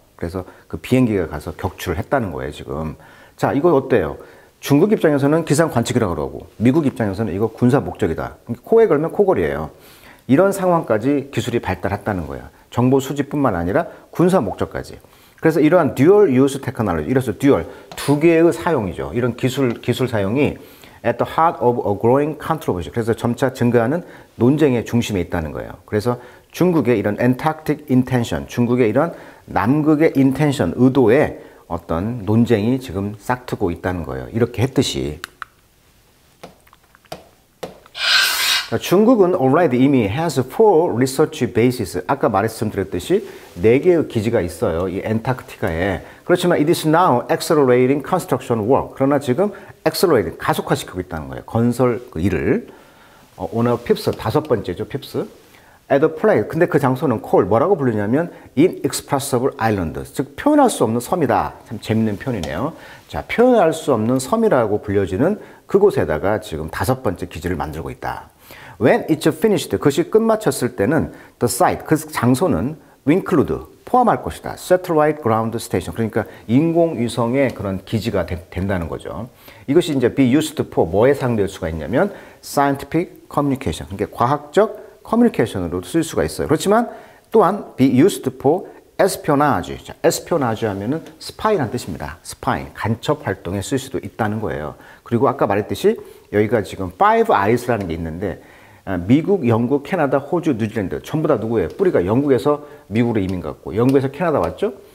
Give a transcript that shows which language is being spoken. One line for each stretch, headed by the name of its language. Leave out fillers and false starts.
Korean: 그래서 그 비행기가 가서 격추를 했다는 거예요, 지금. 자, 이거 어때요? 중국 입장에서는 기상 관측이라고 그러고 미국 입장에서는 이거 군사 목적이다. 코에 걸면 코걸이에요. 이런 상황까지 기술이 발달했다는 거예요. 정보 수집뿐만 아니라 군사 목적까지. 그래서 이러한 듀얼 유스 테크놀로지, 이래서 듀얼, 두 개의 사용이죠. 이런 기술 사용이
English: at the heart of a growing controversy.
Korean: 그래서 점차 증가하는 논쟁의 중심에 있다는 거예요. 그래서 중국의 이런
English: Antarctic intention,
Korean: 중국의 이런 남극의 intention, 의도에 어떤 논쟁이 지금 싹트고 있다는 거예요. 이렇게 했듯이. 중국은
English: already
Korean: 이미
English: has four research bases.
Korean: 아까 말씀드렸듯이 네 개의 기지가 있어요. 이 엔타크티카에. 그렇지만
English: it is now accelerating construction work.
Korean: 그러나 지금 accelerating, 가속화시키고 있다는 거예요. 건설 그 일을.
English: On a PIPS,
Korean: 다섯 번째죠,
English: PIPS. At a place.
Korean: 근데 그 장소는 call. 뭐라고 불리냐면
English: inexpressible island.
Korean: 즉, 표현할 수 없는 섬이다. 참 재밌는 표현이네요. 자, 표현할 수 없는 섬이라고 불려지는 그곳에다가 지금 다섯 번째 기지를 만들고 있다.
English: When it's finished,
Korean: 그것이 끝마쳤을 때는
English: the site,
Korean: 그 장소는 include, 포함할 것이다. Satellite Ground Station, 그러니까 인공위성의 그런 기지가 된다는 거죠. 이것이 이제
English: be used for
Korean: 뭐에 사용될 수가 있냐면
English: scientific communication,
Korean: 그러니까 과학적 커뮤니케이션으로 쓸 수가 있어요. 그렇지만 또한
English: be used for espionage.
Korean: 자, espionage 하면은 스파이란 뜻입니다. 스파이, 간첩 활동에 쓸 수도 있다는 거예요. 그리고 아까 말했듯이 여기가 지금 Five Eyes라는 게 있는데 미국, 영국, 캐나다, 호주, 뉴질랜드 전부 다 누구예요? 뿌리가 영국에서 미국으로 이민 갔고 영국에서 캐나다 왔죠?